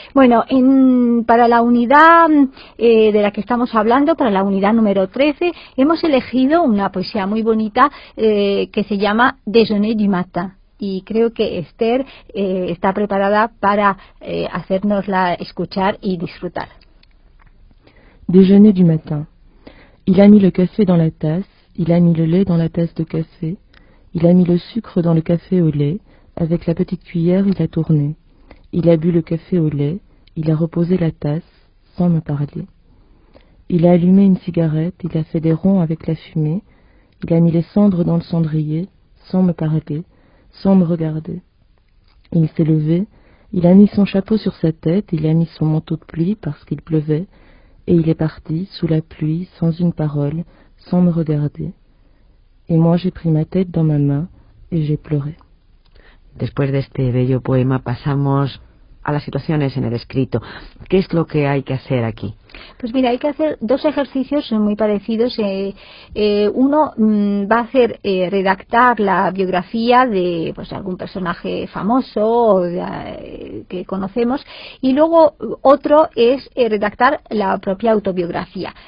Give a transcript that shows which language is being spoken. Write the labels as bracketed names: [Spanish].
[Spanish] Bueno, para la unidad de la que estamos hablando, para la unidad número 13, hemos elegido una poesía muy bonita que se llama Déjeuner du matin, y creo que Esther está preparada para hacérnosla escuchar y disfrutar. [French] Déjeuner du matin. Il a mis le café dans la tasse, il a mis le lait dans la tasse de café, il a mis le sucre dans le café au lait, avec la petite cuillère il a tourné. Il a bu le café au lait, il a reposé la tasse sans me parler. Il a allumé une cigarette, il a fait des ronds avec la fumée, il a mis les cendres dans le cendrier, sans me parler, sans me regarder. Il s'est levé, il a mis son chapeau sur sa tête, il a mis son manteau de pluie parce qu'il pleuvait, et il est parti, sous la pluie, sans une parole, sans me regarder. Et moi j'ai pris ma tête dans ma main, et j'ai pleuré. [Spanish] Después de este bello poema pasamos a las situaciones en el escrito. ¿Qué es lo que hay que hacer aquí? Pues mira, hay que hacer dos ejercicios muy parecidos. Uno va a ser redactar la biografía de pues algún personaje famoso que conocemos, y luego otro es redactar la propia autobiografía.